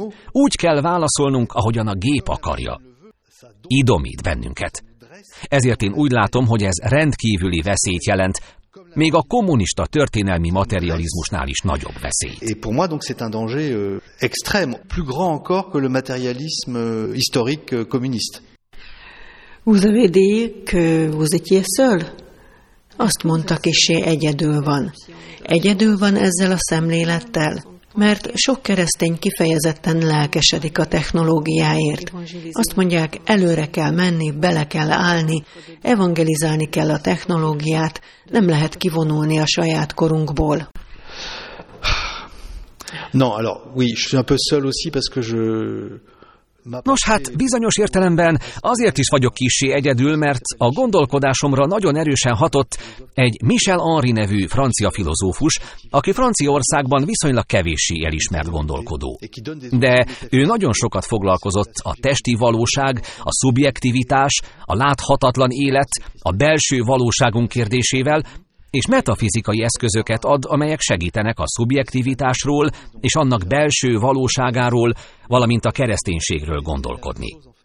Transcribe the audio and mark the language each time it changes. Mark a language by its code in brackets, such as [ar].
[hu] Úgy kell válaszolnunk, ahogyan a gép akarja. Idomít bennünket. Ezért én úgy látom, hogy ez rendkívüli veszélyt jelent, még a kommunista történelmi materializmusnál is nagyobb veszélyt. [fr] Et pour moi donc c'est un danger extrême, plus grand encore que le matérialisme historique communiste. Vous avez dit que vous étiez seul. [hu] Azt mondta kissé, egyedül van. Egyedül van ezzel a szemlélettel, mert sok keresztény kifejezetten lelkesedik a technológiáért. Azt mondják, előre kell menni, bele kell állni, evangelizálni kell a technológiát, nem lehet kivonulni a saját korunkból. [fr] Non, alors, oui, je suis un peu seul aussi, parce que je... [hu] Nos hát, bizonyos értelemben azért is vagyok kissé egyedül, mert a gondolkodásomra nagyon erősen hatott egy Michel Henry nevű francia filozófus, aki Franciaországban viszonylag kevéssé elismert gondolkodó. De ő nagyon sokat foglalkozott a testi valóság, a szubjektivitás, a láthatatlan élet, a belső valóságunk kérdésével, és metafizikai eszközöket ad, amelyek segítenek a szubjektivitásról és annak belső valóságáról, valamint a kereszténységről gondolkodni.